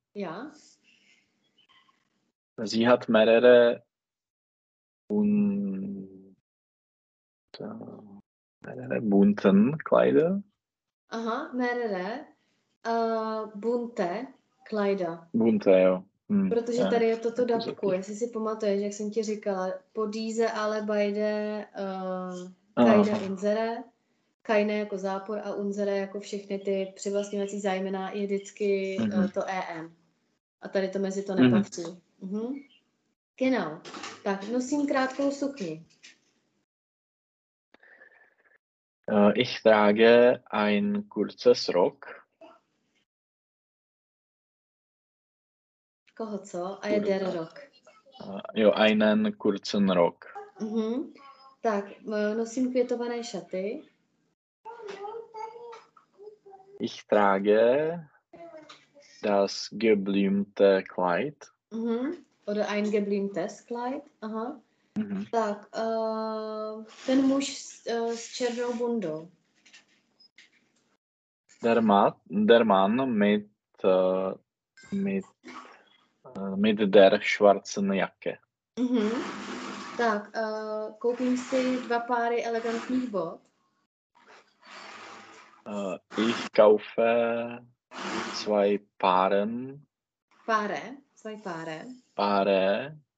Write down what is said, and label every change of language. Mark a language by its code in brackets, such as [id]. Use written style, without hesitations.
[de] Ja. Sie hat mehrere bunten Kleider. Aha, mehrere bunte Kleider. Bunte, jo. [cs] Protože tady je toto dabku, jestli si pamatuješ, jak jsem ti říkala, po [de] diese alle beide keine unsere, keine [cs] jako zápor a unsere jako všechny ty přivlastňovací zájmena je vždycky to EM. A tady to mezi to nepatří. Genau. Tak, nosím krátkou sukni. [de] Ich trage ein kurzes Rock. [cs] Koho co? A je [de] der Rock. Jo, einen kurzen Rock. Mhm. [cs] Tak, nosím květované šaty. [de] Ich trage das geblümte Kleid. Mhm. Oder ein geblümtes Kleid. [cs] Aha. Mhm. Tak, ten muž s černou bundou. [de] Der Mann mit der schwarzen Jacke. Mhm. [cs] Tak, koupím si dva páry elegantních bot. [de] Ich kaufe zwei Paaren. Paare.